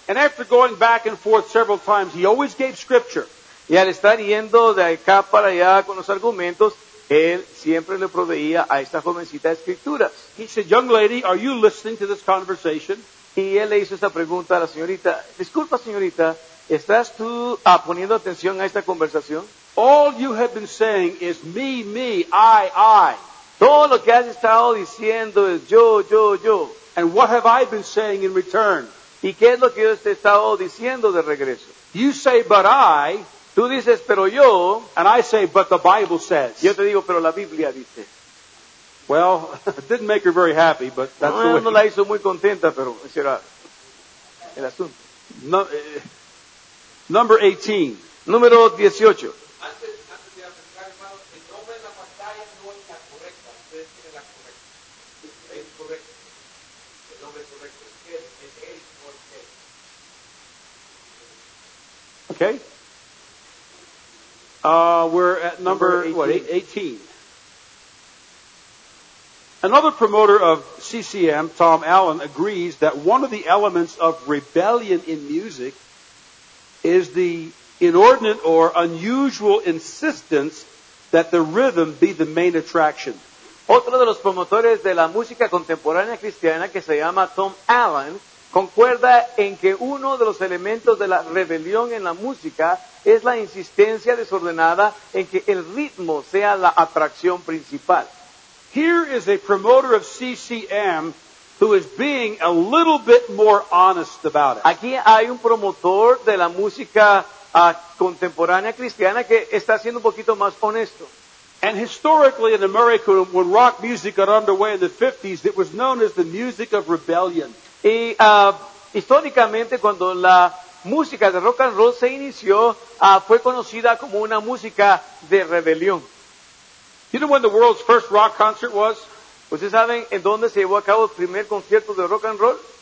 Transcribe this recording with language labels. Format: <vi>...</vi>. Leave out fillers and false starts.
<en>And after going back and forth several times, he always gave scripture.</en> <es>Y al estar yendo de acá para allá con los argumentos, él siempre le proveía a esta jovencita escrituras.</es> <en>He said, young lady, are you listening to this conversation?</en> <es>Y él le hizo esta pregunta a la señorita. Disculpa, señorita, ¿estás tú poniendo atención a esta conversación?</es> <en>All you have been saying is me, me, I.</en> <es>Todo lo que has estado diciendo es yo.</es> <en>And what have I been saying in return?</en> <es>¿Y qué es lo que yo te he estado diciendo de regreso?</es> <en>You say, but I...</en> <es>Tú dices, pero yo,</es> <en>and I say, but the Bible says.</en> <es>Yo te digo, pero la Biblia dice.</es> <en>Well, it didn't make her very happy, but that's the way.</en> <es>No la hizo muy contenta, pero ese era el asunto.</es> <en>Number 18.</en> <es>Número 18.</es> <en>Okay. We're at number 18. Another promoter of CCM, Tom Allen, agrees that one of the elements of rebellion in music is the inordinate or unusual insistence that the rhythm be the main attraction.</en> <es>Otro de los promotores de la música contemporánea cristiana, que se llama Tom Allen, concuerda en que uno de los elementos de la rebelión en la música es la insistencia desordenada en que el ritmo sea la atracción principal.</es> <en>Here is a promoter of CCM who is being a little bit more honest about it.</en> <es>Aquí hay un promotor de la música contemporánea cristiana que está siendo un poquito más honesto.</es> <en>And historically in America, when rock music got underway in the 50s, it was known as the music of rebellion.</en> <es>Y históricamente, cuando la música de rock and roll se inició, fue conocida como una música de rebelión.</es> <en>You know when the world's first rock concert was?</en> <es>¿Ustedes saben en dónde se llevó a cabo el primer concierto de rock and roll?</es>